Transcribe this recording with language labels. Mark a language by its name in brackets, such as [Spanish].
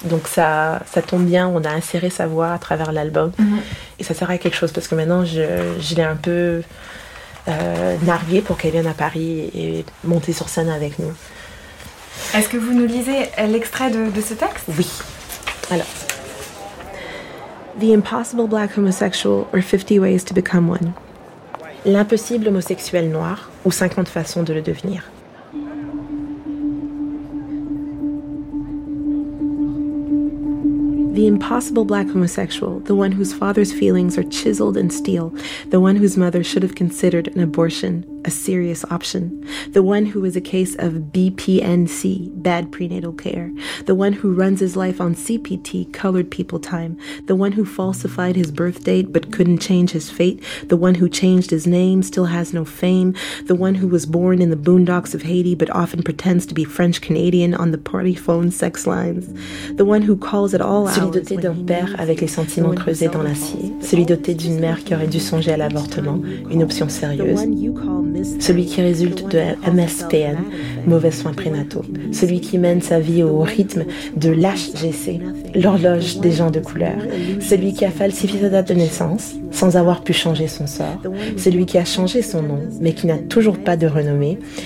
[French] Donc ça tombe bien, on a inséré sa voix à travers l'album. Mm-hmm. Et ça sert à quelque chose, parce que maintenant, je l'ai un peu narguée pour qu'elle vienne à Paris et monter sur scène avec nous. Est-ce que vous nous lisez l'extrait de ce texte? Oui. Alors... [English] The impossible black homosexual or 50 ways to become one. [French] L'impossible homosexuel noir ou 50 façons de le devenir. [English] The impossible black homosexual, the one whose father's feelings are chiseled in steel, the one whose mother should have considered an abortion a serious option, the one who is a case of BPNC, bad prenatal care, the one who runs his life on CPT, colored people time, the one who falsified his birth date but couldn't change his fate, the one who changed his name, still has no fame, the one who was born in the boondocks of Haiti but often pretends to be French-Canadian on the party phone sex lines, the one who calls at all hours... [French] Celui doté d'un père avec les sentiments creusés dans l'acier, celui doté d'une mère qui aurait dû songer à l'avortement, une option sérieuse... Celui qui résulte de MSPN, mauvais soins prénataux. Celui qui mène sa vie au rythme de l'HGC, l'horloge des gens de couleur. Celui qui a falsifié sa date de naissance sans avoir pu changer son sort. Celui qui a changé son nom mais qui n'a toujours pas de renommée.